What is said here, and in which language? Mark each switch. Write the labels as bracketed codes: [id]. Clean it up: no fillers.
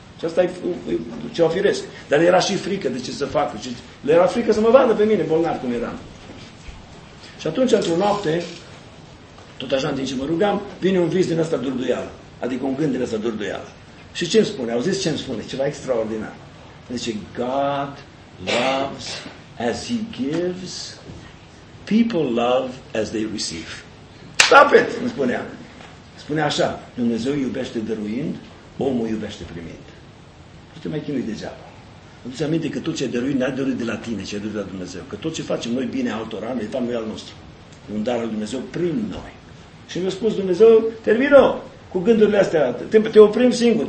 [ro] Și asta e ceva firesc. Dar era și frică de ce să facă. Le era frică să mă vadă pe mine, bolnav cum eram. Și atunci, într-o noapte, tot așa, în timp ce mă rugam, vine un vis din ăsta durduială. Adică un gând din ăsta durduială. Și ce îmi spune? Au zis ce îmi spune? Ceva extraordinar. Zice, [en] God loves as He gives, people love as they receive. Stop it! [ro] Îmi spunea. Spune așa, Dumnezeu iubește dăruind, omul iubește primind. Nu te mai chinui degeaba. Aduce aminte că tot ce ai dăruit, n-ai dăruit de la tine, ce ai dăruit de la Dumnezeu. Că tot ce facem noi bine altora, de fapt nu e al nostru. E un dar al Dumnezeu prin noi. Și mi-a spus Dumnezeu, termină cu gândurile astea, te oprim singur.